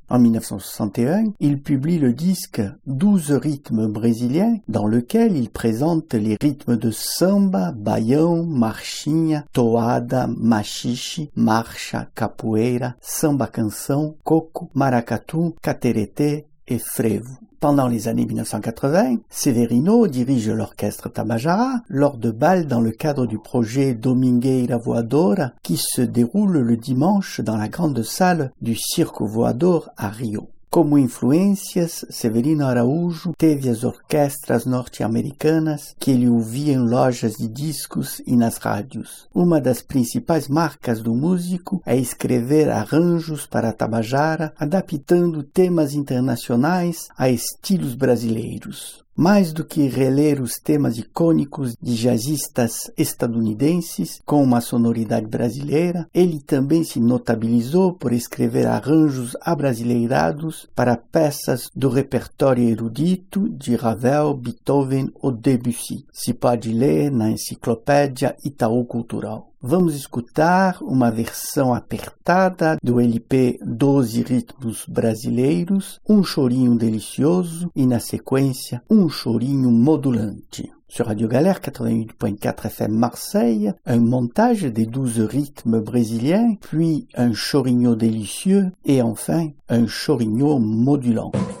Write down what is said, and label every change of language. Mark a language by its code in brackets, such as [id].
[fr] En 1961, ils publient le disque 12 rythmes brésiliens, dans lequel ils présentent les rythmes de samba, baião, marchinha, toada, machixe, marcha, capoeira, samba canção, coco, maracatu, catereté et frevo. Pendant les années 1980, Severino dirige l'orchestre Tabajara lors de bals dans le cadre du projet Domingueira Voador qui se déroule le dimanche dans la grande salle du Circo Voador à Rio. [pt] Como influências, Severino Araújo teve as orquestras norte-americanas que ele ouvia em lojas de discos e nas rádios. Uma das principais marcas do músico é escrever arranjos para Tabajara, adaptando temas internacionais a estilos brasileiros. Mais do que reler os temas icônicos de jazzistas estadunidenses com uma sonoridade brasileira, ele também se notabilizou por escrever arranjos abrasileirados para peças do repertório erudito de Ravel, Beethoven ou Debussy. Se pode ler na enciclopédia Itaú Cultural. Vamos escutar uma versão apertada do LP 12 Ritmos Brasileiros, um chorinho delicioso e, na sequência, um chorinho modulante. [fr] Sur Radio Galère 88.4 FM Marseille, un montage des 12 rythmes brésiliens, puis un chorinho délicieux et enfin un chorinho modulant.